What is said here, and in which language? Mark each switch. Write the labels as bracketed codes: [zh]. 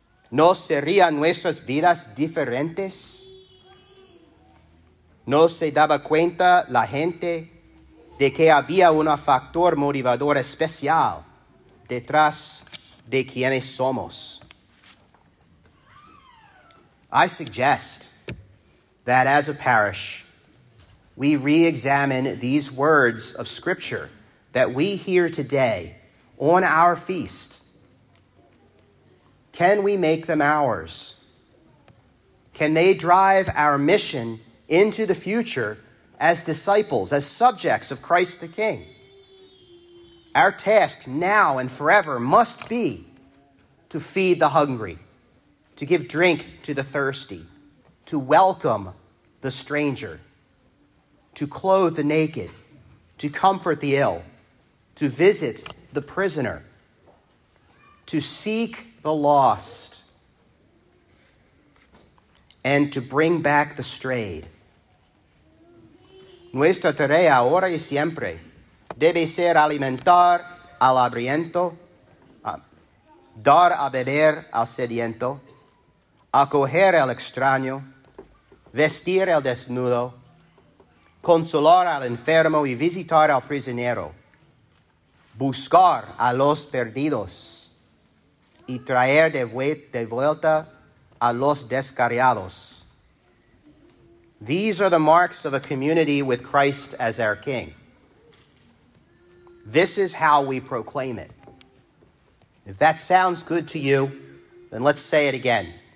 [es] ¿No serían nuestras vidas diferentes? ¿No se daba cuenta la gente de que había un factor motivador especial detrás de quienes somos? [en] I suggest that as a parish, we re-examine these words of Scripture that we hear today on our feast. Can we make them ours? Can they drive our mission into the future as disciples, as subjects of Christ the King? Our task now and forever must be to feed the hungry, to give drink to the thirsty, to welcome the stranger, to clothe the naked, to comfort the ill, to visit the prisoner, to seek the lost, and to bring back the strayed. [es] Nuestra tarea ahora y siempre debe ser alimentar al hambriento, dar a beber al sediento, acoger al extraño, vestir al desnudo, consolar al enfermo y visitar al prisionero. buscar a los perdidos y traer de vuelta a los descarriados. [en] These are the marks of a community with Christ as our King. This is how we proclaim it. If that sounds good to you, then let's say it again.